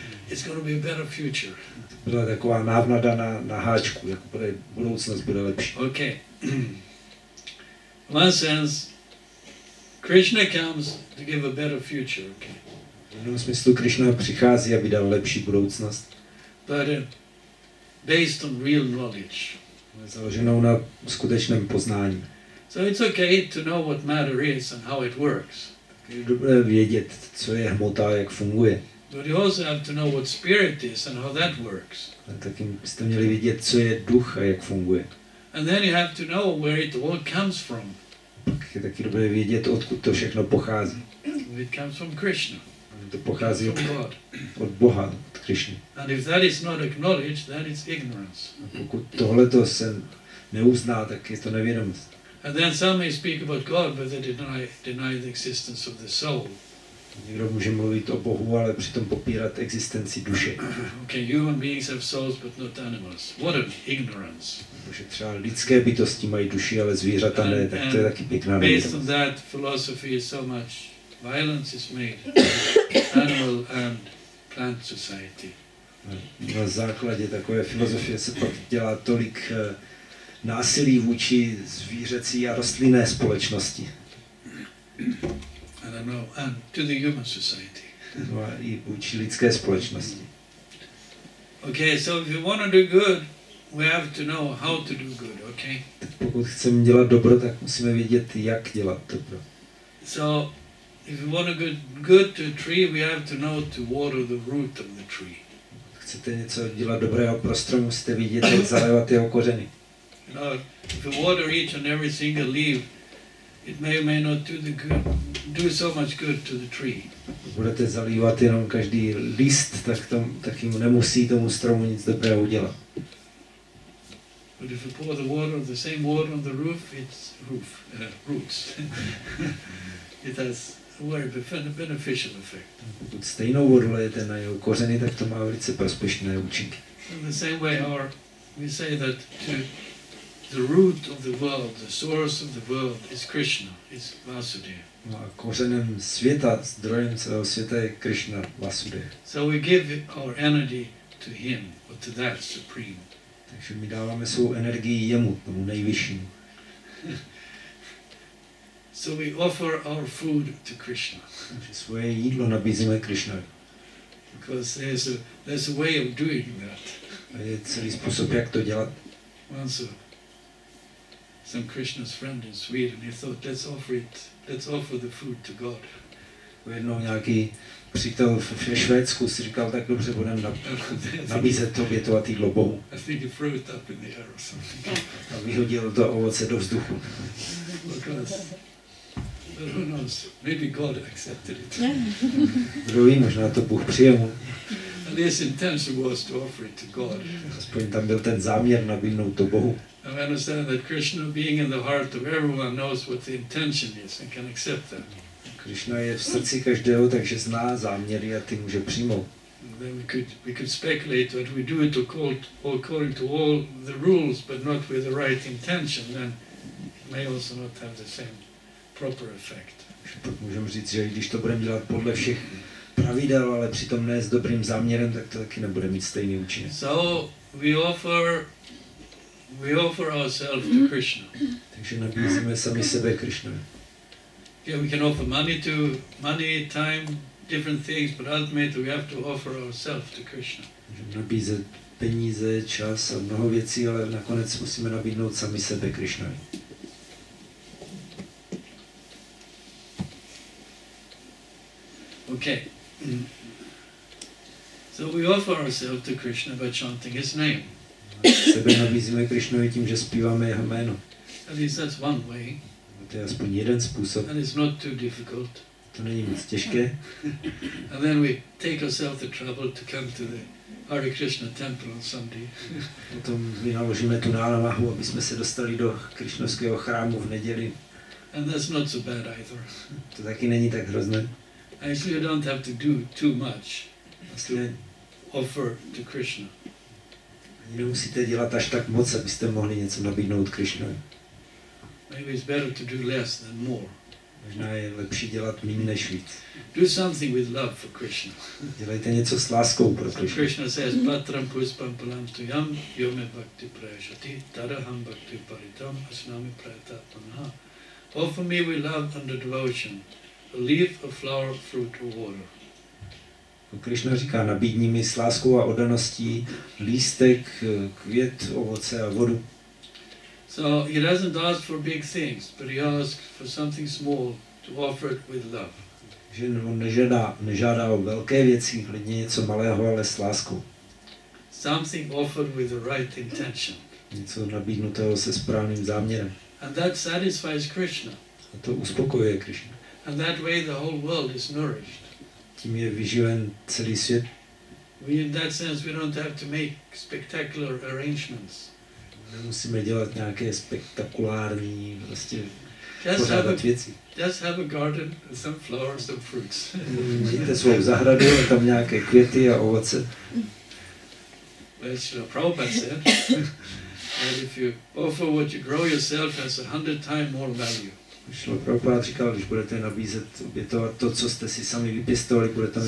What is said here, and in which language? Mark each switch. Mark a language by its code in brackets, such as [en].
[en] It's going to be a better future. [cs] Byla taková návnada na háčku, jako bude budoucnost bude lepší. [en] Okay. In one sense, Krishna comes to give a better future, okay. [cs] V jednom smyslu Krishna přichází, aby dal lepší budoucnost. [en] But based on real knowledge. [cs] Založenou na skutečném poznání. [en] So it's okay to know what matter is and how it works. [cs] Je dobré vědět, co je hmota a jak funguje. [en] But you also have to know what spirit is and how that works. [cs] Taky byste měli vědět, co je duch a jak funguje. [en] And then you have to know where it all comes from. [cs] Pak je taky dobré vědět, odkud to všechno pochází. [en] It comes from Krishna. [cs] To pochází od Boha, od Krishny. [en] And if that is not acknowledged, then it's ignorance. [cs] A pokud tohleto se neuzná, tak je to nevědomost. [en] And then some may speak about God, but they deny the existence of the soul. [cs] Někdo může mluvit o Bohu, ale přitom popírat existenci duše. [en] Okay, human beings have souls, but not animals. What an ignorance. [cs] Protože třeba lidské bytosti mají duši, ale zvířata ne, tak to je taky pěkná nevědomost. [en] Based on that, philosophy is so much violence is made in animal and plant society. [cs] Na základě takové filozofie se pak dělá tolik násilí vůči zvířecí a rostlinné společnosti. [en] I don't know, and to the human society. [cs] i vůči lidské společnosti. [en] Okay, so if you want to do good, we have to know how to do good, okay? [cs] Pokud chceme dělat dobro, tak musíme vědět, jak dělat dobro. [en] So if you want to do good to a tree, we have to know to water the root of the tree. [cs] Pokud chcete něco dělat dobrého pro strom, musíte vědět, jak zalévat jeho kořeny. [en] No, if you water each and every single leaf, it may not do the good, do so much good to the tree. [cs] Budete zalívat jenom každý list, tak jim nemusí tomu stromu nic dobrého udělat. [en] But if you pour the water, the same water on the roof, it's roof, roots. It has a very beneficial effect. [cs] Pokud stejnou vodu lejete na jeho kořeny, tak to má velice prospěšné účinky. [en] In the same way, we say that to the root of the world, the source of the world is Krishna, is Vasudeva. [cs] No a kořenem světa, zdrojem celého světa je Krishna Vasudeva. [en] So we give our energy to him, or to that supreme. [cs] Takže my dáváme svou energii jemu, tomu nejvyššímu. [en] So we offer our food to Krishna. [cs] Takže svoje jídlo nabízíme Krishnovi. [en] Because there's a way of doing that. [cs] A je celý způsob, jak to dělat. [en] Once some Krishna's friend in Sweden, he thought, let's offer the food to God. [cs] Jednou nějaký přítel ve Švédsku si říkal, tak dobře, budeme nabízet to obětovat jídlo Bohu. [en] I think he threw it up in the air or something. [cs] A vyhodil to ovoce do vzduchu. [en] Because, who knows, maybe God accepted it. [cs] Kdo ví, možná to Bůh přijmul. [en] And his intention was to offer it to God. [cs] Aspoň tam byl ten záměr nabídnout to Bohu. [en] I understand that Krishna being in the heart of everyone knows what the intention is and can accept that. [cs] Krishna je v srdci každého, takže zná záměry a ty může přijmout. [en] Then we could speculate that we do it according to all the rules, but not with the right intention, then it may also not have the same proper effect. [cs] Můžeme říct, že když to budeme dělat podle všech pravidel, ale přitom ne s dobrým záměrem, tak to taky nebude mít stejný účinek. [en] So we offer ourselves to Krishna. [cs] Takže nabízíme sami sebe Krishnovi. [en] Yeah, we can offer money, time, different things, but ultimately we have to offer ourselves to Krishna. [cs] Můžeme nabízet peníze, čas a mnoho věcí, ale nakonec musíme nabídnout sami sebe Krishnovi. [en] Okay. So we offer ourselves to Krishna by chanting his name. [cs] Sebe nabízíme Krishnovi tím, že zpíváme jeho jméno. [en] At least that's one way. [cs] To je aspoň jeden způsob. [en] And it's not too difficult. [cs] To není moc těžké. [en] And then we take ourselves the trouble to come to the Hare Krishna temple on Sunday. [cs] Potom vynaložíme tu námahu, aby jsme se dostali do krišnovského chrámu v neděli. [en] And that's not so bad either. [cs] To taky není tak hrozné. [en] Actually, you don't have to do too much to offer to Krishna. [cs] Nemusíte dělat až tak moc, abyste mohli něco nabídnout Krishnovi. [en] Maybe it's better to do less than more. [cs] Možná je lepší dělat méně než víc. [en] Do something with love for Krishna. [cs] Dělejte něco s láskou pro Krishna. [en] So Krishna says, [sa] patram puspam palam tuyam, yome bhakti prajashati, taraham bhakti paritam, asnami prayatatmanah. [en] Offer me with love and devotion, a leaf, a flower, fruit or water. [cs] Krishna říká, nabídni mi s láskou a oddaností lístek, květ, ovoce a vodu. [en] So he doesn't ask for big things, but he asks for something small to offer it with love. [cs] Že on nežádá o velké věci, klidně něco malého, ale s láskou. [en] Something offered with the right intention. [cs] Něco nabídnutého se správným záměrem. [en] And that satisfies Krishna. [cs] A to uspokojuje Krishna. [en] And that way the whole world is nourished. [cs] Tím je vyživen celý svět. [en] In that sense, we don't have to make spectacular arrangements. [cs] Nemusíme dělat nějaké spektakulární prostě pořádat věci. [en] Just have a garden and some flowers and fruits. [cs] Mějte svou zahradu a tam nějaké květy a ovoce. [en] Well, Srila Prabhupada said that if you offer what you grow yourself has 100 times more value. [cs] Šlo Prabhupád říkal, když budete nabízet obětovat to, co jste si sami vypěstovali, budete mít